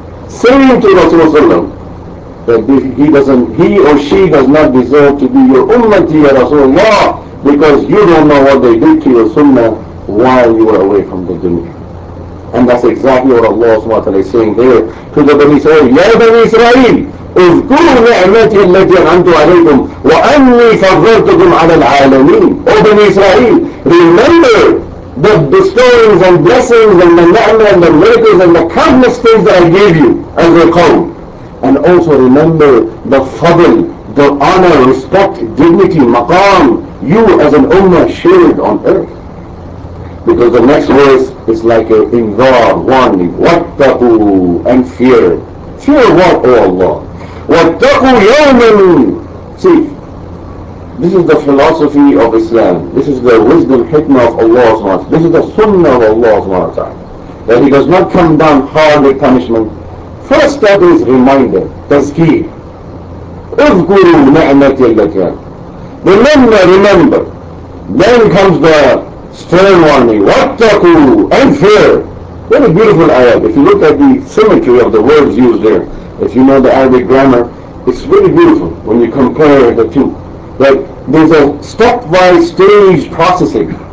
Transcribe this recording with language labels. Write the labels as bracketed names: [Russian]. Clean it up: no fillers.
[English] Saying to Rasulullah that he or she does not deserve to be your ummati, Ya Rasulullah, because you don't know what they did to your sunnah while you were away from the dunya. And that's exactly what Allah SWT is saying here to the Bani Israel. Ya Bani Israel, [Arabic] اذكروا نعمتي التي أنعمت عليكم وأني فضلتكم على العالمين. [English] O Bani Israel, remember the bestowings and blessings and the ni'mah and the miracles and the countless things that I gave you as a qawm. And also remember the fadl, the honor, respect, dignity, maqam you as an ummah shared on earth. Because the next verse is like an inzar, warning. Wattaku and fear. Fear what, O Allah? Wattaku yawman. See, this is the philosophy of Islam. This is the wisdom, hikmah of Allah. This is the sunnah of Allah. That He does not come down hard with punishment. First step is reminder, tazkir. [Arabic] اذكروا نعمتي التي [English] remember. Then comes the stern warning. واتقوا and fear. Very beautiful ayat. If you look at the symmetry of the words used there, if you know the Arabic grammar, it's really beautiful when you compare the two. Like there's a stepwise stage processing.